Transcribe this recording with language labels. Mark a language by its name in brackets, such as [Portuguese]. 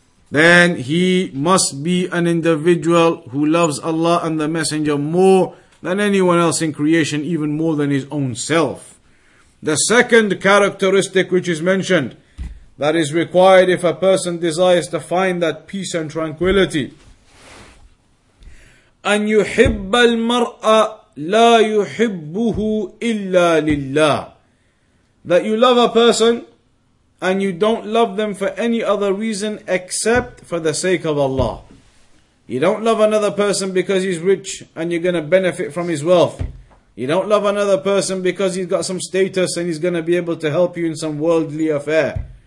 [English] Then he must be an individual who loves Allah and the Messenger more than anyone else in creation, even more than his own self. The second characteristic which is mentioned that is required if a person desires to find that peace and tranquility. [Arabic] أن يحب المرء لا يحبه إلا لله. [English] That you love a person and you don't love them for any other reason except for the sake of Allah. You don't love another person because he's rich and you're going to benefit from his wealth. You don't love another person because he's got some status and he's going to be able to help you in some worldly affair.